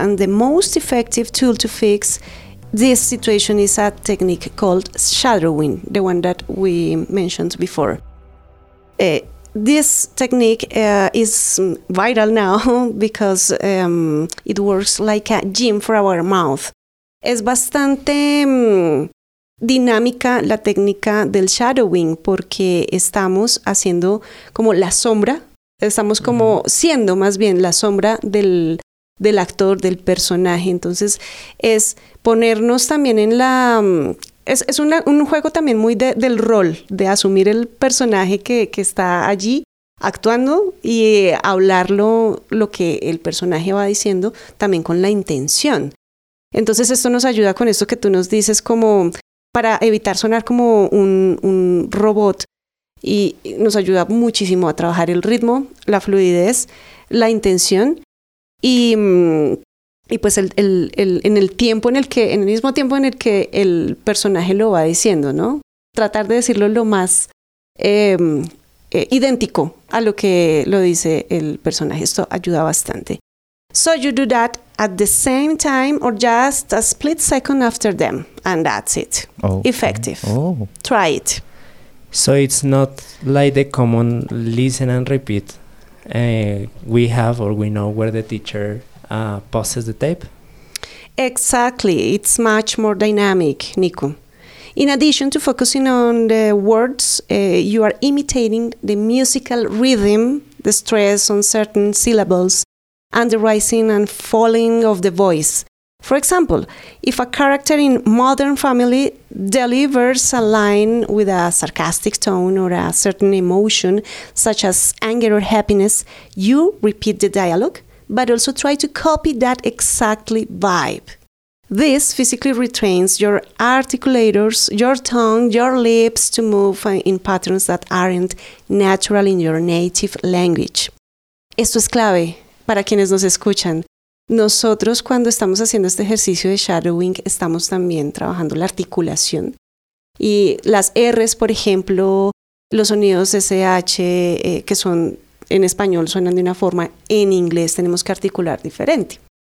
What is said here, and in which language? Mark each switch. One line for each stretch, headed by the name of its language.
English: And the most effective tool to fix this situation is a technique called shadowing, the one that we mentioned before. This technique is vital now because it works like a gym for our mouth.
Spanish: Es bastante dinámica la técnica del shadowing, porque estamos haciendo como la sombra, estamos como siendo más bien la sombra del actor, del personaje. Entonces es ponernos también en la... Es un juego también muy del rol, de asumir el personaje que está allí actuando y hablarlo, lo que el personaje va diciendo, también con la intención. Entonces esto nos ayuda con esto que tú nos dices, como para evitar sonar como un robot, y nos ayuda muchísimo a trabajar el ritmo, la fluidez, la intención y pues el en el tiempo en el que, en el mismo tiempo en el que el personaje lo va diciendo, ¿no? Tratar de decirlo lo más idéntico a lo que lo dice el personaje. Esto ayuda bastante.
English: So you do that at the same time or just a split second after them, and that's it. Okay. Effective. Oh. Try it. So it's not like the common listen and repeat we have, or we know where the teacher pauses the tape? Exactly. It's much more dynamic, Nico. In addition to focusing on the words, you are imitating the musical rhythm, the stress on certain syllables, and the rising and falling of the voice. For example, if a character in Modern Family delivers a line with a sarcastic tone or a certain emotion, such as anger or happiness, you repeat the dialogue, but also try to copy that exactly vibe. This physically retrains your articulators, your tongue, your lips to move in patterns that aren't natural in your native language.
Spanish: Esto es clave. Para quienes nos escuchan, nosotros cuando estamos haciendo este ejercicio de shadowing, estamos también trabajando la articulación. Y las R's, por ejemplo, los sonidos SH, que son en español, suenan de una forma, en inglés tenemos que articular diferente.